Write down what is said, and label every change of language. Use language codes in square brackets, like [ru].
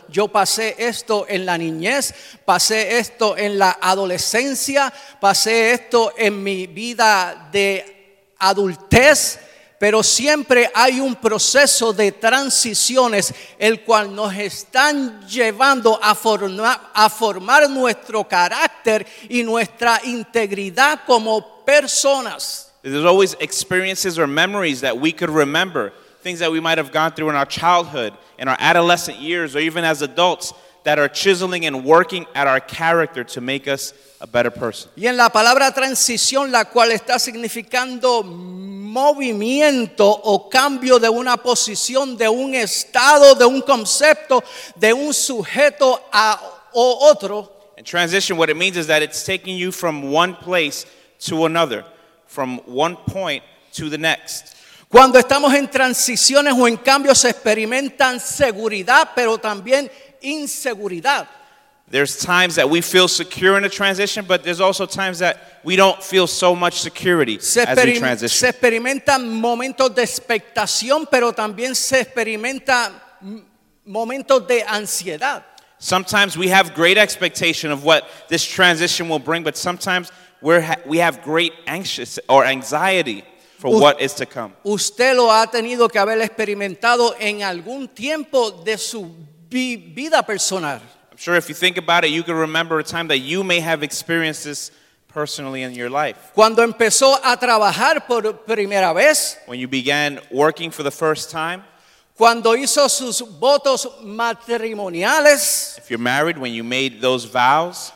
[es] Yo pasé esto en la niñez, pasé esto en la adolescencia, pasé esto en mi vida de adultez, pero siempre hay un proceso de transiciones el cual nos están llevando a formar nuestro carácter y nuestra integridad como personas. [en] There's always experiences or memories that we could remember, things that we might have gone through in our childhood, in our adolescent years, or even as adults, that are chiseling and working at our character to make us a better person. [es] Y en la palabra transición, la cual está significando movimiento o cambio de una posición, de un estado, de un concepto, de un sujeto a o otro. [en] And transition, what it means is that it's taking you from one place to another. From one point to the next. [es] Cuando estamos en transiciones o en cambios se experimentan seguridad, pero también inseguridad. [en] There's times that we feel secure in a transition, but there's also times that we don't feel so much security as we transition. [es] Se experimentan momentos de expectación, pero también se experimentan momentos de ansiedad. [en] Sometimes we have great expectation of what this transition will bring, but sometimes we have great anxious or anxiety for what is to come. [es] Usted lo ha tenido que haber experimentado en algún tiempo de su vida personal. [en] I'm sure if you think about it, you can remember a time that you may have experienced this personally in your life. [es] Cuando empezó a trabajar por primera vez. [en] When you began working for the first time. [es] Cuando hizo sus votos matrimoniales. [en] If you're married, when you made those vows.